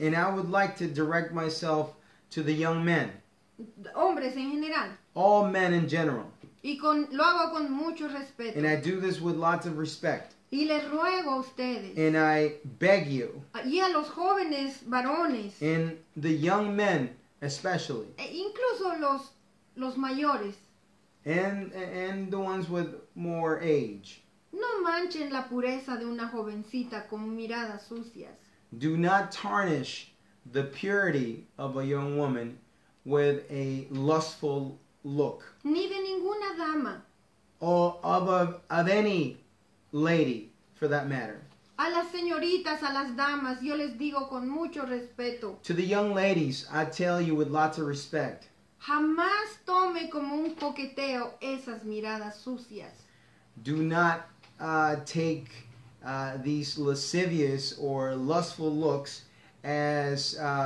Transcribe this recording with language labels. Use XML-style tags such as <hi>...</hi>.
<en>And I would like to direct myself to the young men.</en> <es>Hombres en general.</es> <en>All men in general.</en> <es>Y con, lo hago con mucho respeto.</es> <en>And I do this with lots of respect.</en> <es>Y les ruego a ustedes.</es> <en>And I beg you.</en> <es>Y a los jóvenes varones.</es> <en>And the young men especially.</en> <es>E incluso los mayores.</es> <en>And the ones with more age.</en> <es>No manchen la pureza de una jovencita con miradas sucias.</es> <en>Do not tarnish the purity of a young woman with a lustful look.</en> <es>Ni de ninguna dama.</es> <en>Or of any lady, for that matter.</en> <es>A las señoritas, a las damas, yo les digo con mucho respeto.</es> <en>To the young ladies, I tell you with lots of respect.</en> <es>Jamás tome como un coqueteo esas miradas sucias.</es> <en>Do not take these lascivious or lustful looks as</en>